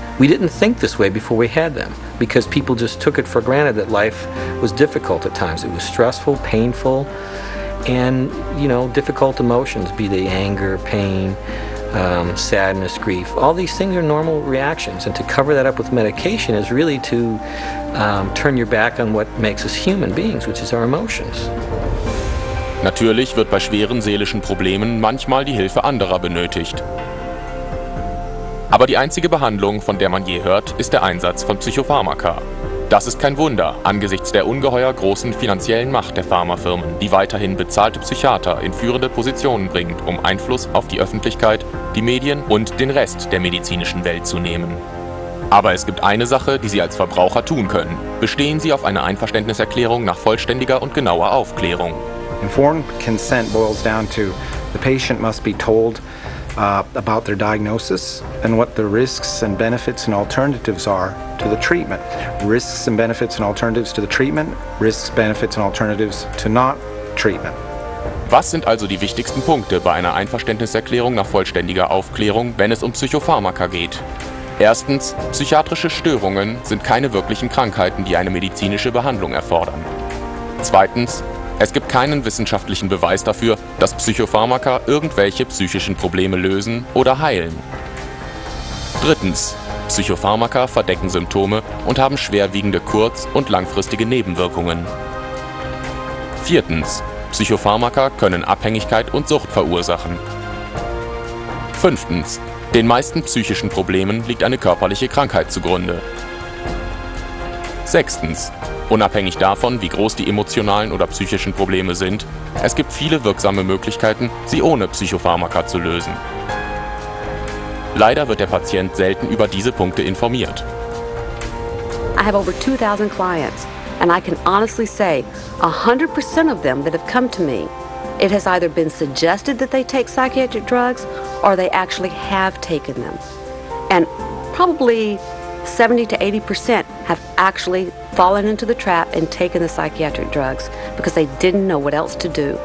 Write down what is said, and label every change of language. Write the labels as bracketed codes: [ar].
[en] We didn't think this way before we had them, because people just took it for granted that life was difficult at times. It was stressful, painful, and, you know, difficult emotions, be they anger, pain, sadness, grief. All these things are normal reactions, and to cover that up with medication is really to turn your back on what makes us human beings, which is our emotions. [de] Natürlich wird bei schweren seelischen Problemen manchmal die Hilfe anderer benötigt. Aber die einzige Behandlung, von der man je hört, ist der Einsatz von Psychopharmaka. Das ist kein Wunder, angesichts der ungeheuer großen finanziellen Macht der Pharmafirmen, die weiterhin bezahlte Psychiater in führende Positionen bringt, um Einfluss auf die Öffentlichkeit, die Medien und den Rest der medizinischen Welt zu nehmen. Aber es gibt eine Sache, die Sie als Verbraucher tun können. Bestehen Sie auf eine Einverständniserklärung nach vollständiger und genauer Aufklärung. [en] Informed consent boils down to the patient must be told about their diagnosis and what the risks and benefits and alternatives are to the treatment. Risks and benefits and alternatives to the treatment, risks, benefits and alternatives to not treatment. [de] Was sind also die wichtigsten Punkte bei einer Einverständniserklärung nach vollständiger Aufklärung, wenn es um Psychopharmaka geht? Erstens, psychiatrische Störungen sind keine wirklichen Krankheiten, die eine medizinische Behandlung erfordern. Zweitens, es gibt keinen wissenschaftlichen Beweis dafür, dass Psychopharmaka irgendwelche psychischen Probleme lösen oder heilen. Drittens, Psychopharmaka verdecken Symptome und haben schwerwiegende kurz- und langfristige Nebenwirkungen. Viertens, Psychopharmaka können Abhängigkeit und Sucht verursachen. Fünftens, den meisten psychischen Problemen liegt eine körperliche Krankheit zugrunde. Sechstens, unabhängig davon, wie groß die emotionalen oder psychischen Probleme sind, es gibt viele wirksame Möglichkeiten, sie ohne Psychopharmaka zu lösen. Leider wird der Patient selten über diese Punkte informiert. [en] I have over 2000 clients and I can honestly say 100% of them that have come to me, it has either been suggested that they take psychiatric drugs or they actually have taken them. And probably 70-80% have actually fallen into the trap and taken the psychiatric drugs because they didn't know what else to do.